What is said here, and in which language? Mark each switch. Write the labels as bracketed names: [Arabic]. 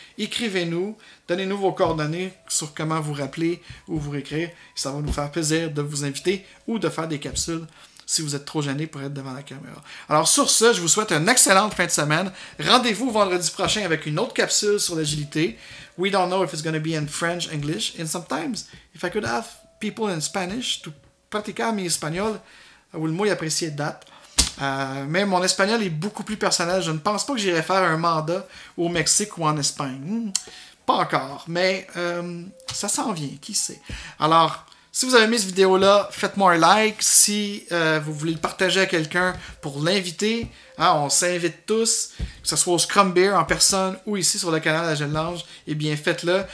[French] Écrivez-nous, donnez-nous vos coordonnées sur comment vous rappeler ou vous réécrire. Ça va nous faire plaisir de vous inviter ou de faire des capsules si vous êtes trop gêné pour être devant la caméra. Alors sur ce, je vous souhaite une excellente fin de semaine. Rendez-vous vendredi prochain avec une autre capsule sur l'agilité. [English] We don't know if it's going to be in French, English, and sometimes if I could have people in Spanish to [Spanish] practicar mi español, [English] I would [Spanish] muy [English] appreciate that. [French] Mais mon espagnol est beaucoup plus personnel. Je ne pense pas que j'irai faire un mandat au Mexique ou en Espagne. Pas encore, mais ça s'en vient, qui sait. Alors, si vous avez aimé cette vidéo-là, faites-moi un like. Si vous voulez le partager à quelqu'un pour l'inviter, hein, on s'invite tous, que ce soit au Scrum Beer en personne ou ici sur le canal Agile Lounge, eh bien faites-le.